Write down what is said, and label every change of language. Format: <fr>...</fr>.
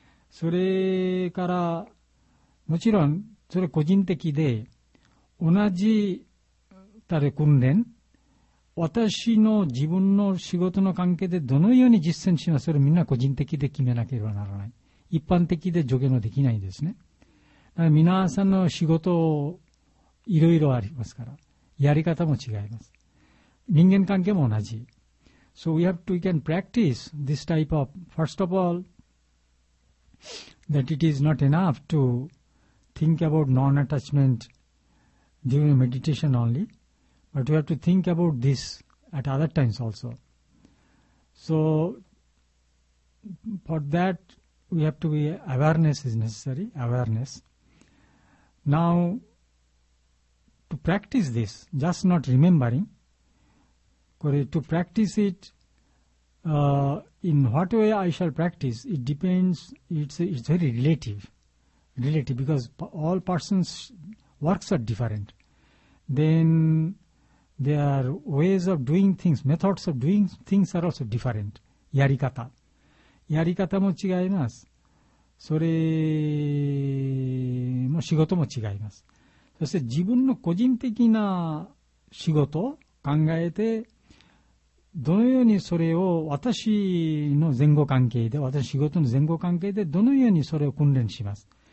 <ja>それから、もちろん、それ個人的で、同じ、訓練、私の自分の仕事の関係でどのように実践しますか、それみんな個人的で決めなければならない。一般的で助言はできないですね。だから皆さんの仕事、いろいろありますから、やり方も違います。人間関係も同じ。</ja> <en>So we have to, we can practice this type of, first of all, that it is not enough to think about non-attachment during meditation only, but we have to think about this at other times also. So for that, we have to be, awareness is necessary, awareness. Now, to practice this, just not remembering, これ、to practice it, in what way I shall practice, it depends, it's very relative, because all persons' works are different. Then, their ways of doing things, methods of doing things are also different.</en> <ja>やり方も違います。それも仕事も違います。そして自分の個人的な仕事を考えて、どのようにそれを私の前後関係で、私仕事の前後関係でどのようにそれを訓練します。</ja>